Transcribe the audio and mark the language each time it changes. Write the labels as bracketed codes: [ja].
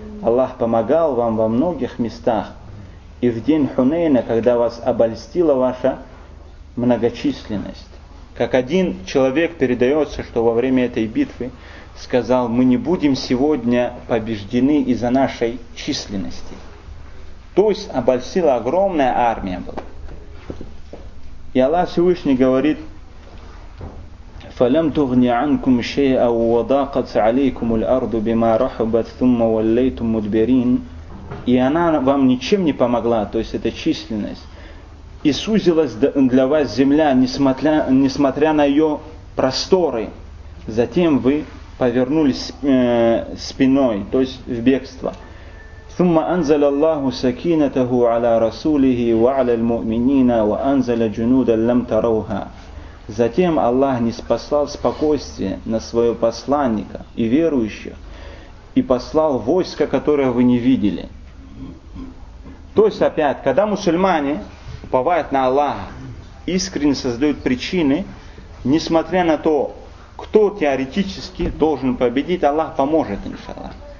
[ru] Аллах помогал вам во многих местах, и в день Хунейна, когда вас обольстила ваша многочисленность. Как один человек передается, что во время этой битвы сказал: «Мы не будем сегодня побеждены из-за нашей численности». То есть обольстила огромная армия была. И Аллах Всевышний говорит: [ar] فَلَمْ تُغْنِ عَنْكُمْ شَيْئًا وَضَاقَتْ عَلَيْكُمُ الْأَرْضُ بِمَا رَحُبَتْ ثُمَّ وَلَّيْتُمْ مُدْبِرِينَ. [ru] И она вам ничем не помогла, то есть это численность. И сузилась для вас земля, несмотря на ее просторы. Затем вы повернулись спиной, то есть в бегство. [ar] ثم أنزل الله سكينته على رسوله وعلى المؤمنين وأنزل جنودا لم تروها. [ru] Затем Аллах ниспослал спокойствие на своего посланника и верующих и послал войско, которое вы не видели. То есть опять, когда мусульмане уповают на Аллаха, искренне создают причины, несмотря на то, кто теоретически должен победить, Аллах поможет, иншаллах.